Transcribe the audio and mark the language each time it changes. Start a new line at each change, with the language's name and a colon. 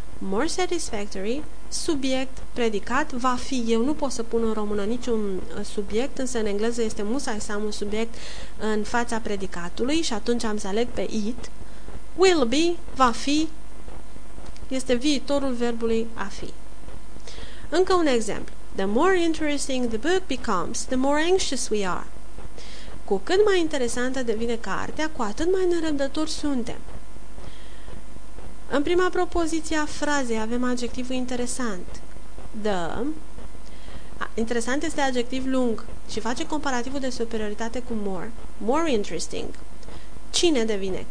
Romanian: More satisfactory, subiect, predicat, va fi. Eu nu pot să pun în română niciun subiect, însă în engleză este musai să am un subiect în fața predicatului și atunci am să aleg pe it. Will be, va fi, este viitorul verbului a fi. Încă un exemplu.
English: The more interesting the book becomes, the more anxious we are.
Romanian: Cu cât mai interesantă devine cartea, cu atât mai nerăbdători suntem. În prima propoziție a frazei avem adjectivul interesant. The. Interesant este adjectiv lung și face comparativul de superioritate cu more. More interesting. Cine devine?